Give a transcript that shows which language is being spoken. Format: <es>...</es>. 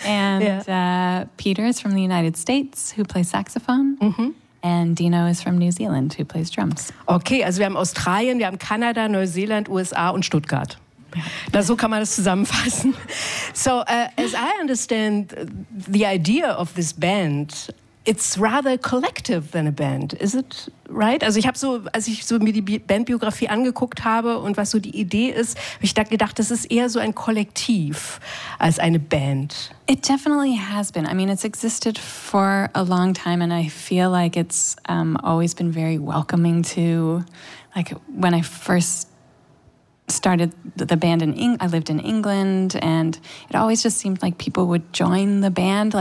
<en>And Peter is from the United States, who plays saxophone. Mm-hmm. And Dino is from New Zealand, who plays drums.</en> <de>Okay, also wir haben Australien, wir haben Kanada, Neuseeland, USA und Stuttgart. Na, so kann man das zusammenfassen.</de> <en>So, as I understand the idea of this band, it's rather collective than a band, is it right?</en> <de>Also ich habe so, als ich so mir die Bandbiografie angeguckt habe und was so die Idee ist, habe ich da gedacht, das ist eher so ein Kollektiv als eine Band.</de> <en>It definitely has been. I mean, it's existed for a long time and I feel like it's always been very welcoming to, like when I first started the band in I lived in England, and it always just seemed like people would join the band.</en>